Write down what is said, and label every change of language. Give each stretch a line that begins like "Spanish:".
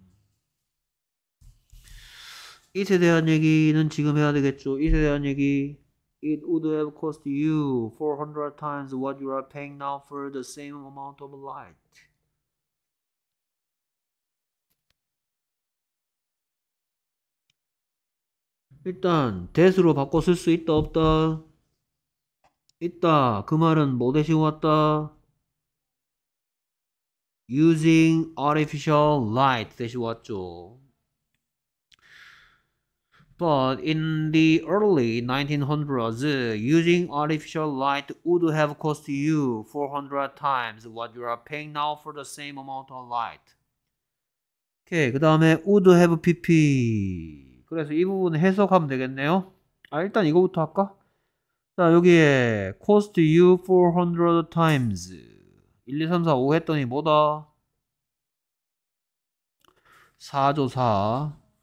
Korean: 그다음에 it에 대한 얘기는 지금 해야 되겠죠.
English: it
Korean: 에 대한 얘기
English: it would have cost you 400 times what you are paying now for the same amount of light.
Korean: 일단 that으로 바꿔 쓸수 있다 없다? 있다. 그 말은 뭐 대신 왔다?
English: using artificial light
Korean: 대신 왔죠.
English: But in the early 1900s, using artificial light would have cost you 400 times what you are paying now for the same amount of light.
Korean: 오케이, 그 다음에
English: would have pp.
Korean: 그래서 이 부분 해석하면 되겠네요. 아, 일단 이거부터 할까? 자, 여기에
English: cost you 400 times.
Korean: 1, 2, 3, 4, 5 했더니 뭐다? 4조 4.